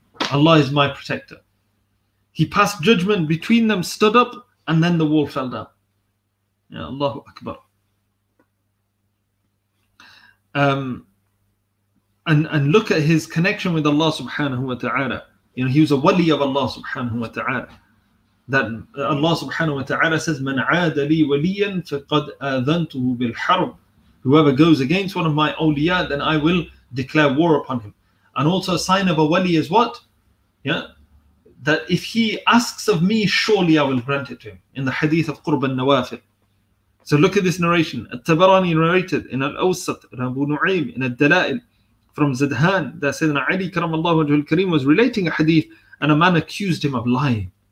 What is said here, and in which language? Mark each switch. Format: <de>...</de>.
<en>Allah is my protector. He passed judgment between them, stood up, and then the wall fell down. Yeah, Allahu Akbar. And look at his connection with Allah subhanahu wa ta'ala. You know, he was a wali of Allah subhanahu wa ta'ala. That Allah subhanahu wa ta'ala says,</en> <ar>مَنْ عَادَ لِي وَلِيًّا فَقَدْ أَذَنْتُهُ بِالْحَرْبِ.</ar> <en>Whoever goes against one of my awliya, then I will declare war upon him. And also a sign of a wali is what? Yeah, that if he asks of me, surely I will grant it to him. In the hadith of Qurb al-Nawafir. So look at this narration. At-Tabarani narrated in Al-Awsat, in Abu Nu'aym, in Al-Dala'il, from Zidhan, that Sayyidina Ali karamallahu wajhahu al-kareem was relating a hadith and a man accused him of lying.</en>